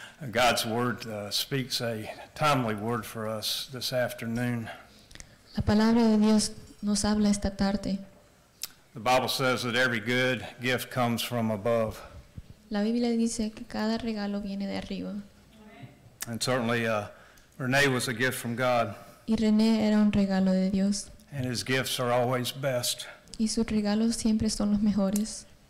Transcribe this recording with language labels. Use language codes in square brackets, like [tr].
[en] God's word speaks a timely word for us this afternoon. [es] La palabra de Dios nos habla esta tarde. [en] The Bible says that every good gift comes from above. [es] La Biblia dice que cada regalo viene de arriba. [en] And certainly, Renee was a gift from God. [es] Y Renee era un regalo de Dios. [en] And his gifts are always best. [es] Y sus regalos siempre son los mejores.